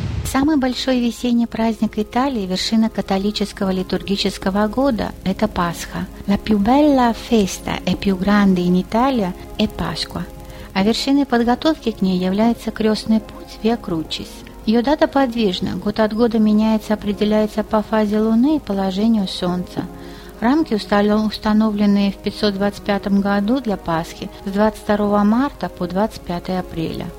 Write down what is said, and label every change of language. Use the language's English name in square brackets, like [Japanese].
[Russian] Самый большой весенний праздник Италии, вершина католического литургического года – это Пасха. [Italian] La più bella festa e più grande in Italia è Pasqua. [Russian] А вершиной подготовки к ней является крестный путь Via Crucis. Ее дата подвижна, год от года меняется, определяется по фазе Луны и положению Солнца. Рамки, установленные в 525 году для Пасхи, с 22 марта по 25 апреля.